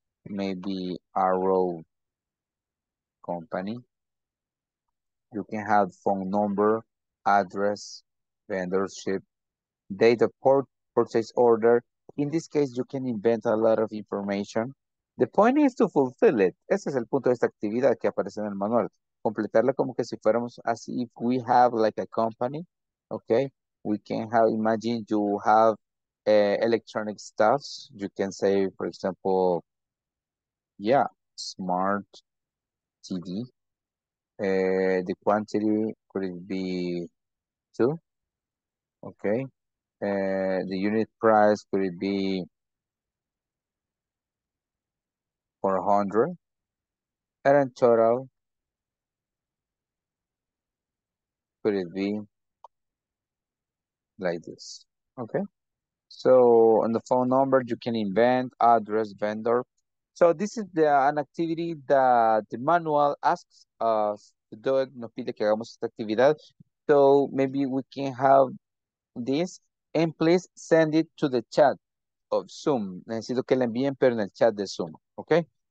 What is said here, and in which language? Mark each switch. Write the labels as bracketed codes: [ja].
[en] Maybe arrow company. You can have phone number, address, vendorship, date of purchase order. In this case, you can invent a lot of information. The point is to fulfill it. [es] Ese es el punto de esta actividad que aparece en el manual. Completarla como que si fuéramos, [en] as if we have like a company, okay? We can have, imagine you have electronic stuff. You can say, for example, yeah, smart TV. The quantity could it be 2, okay? The unit price could it be 400? And in total, could it be like this, okay? So on the phone number, you can invent address, vendor. So this is the, an activity that the manual asks us to do it. [es] Nos pide que hagamos esta actividad. [en] So maybe we can have this, and please send it to the chat of Zoom. [es] Necesito que la envíen, pero en el chat de Zoom, okay?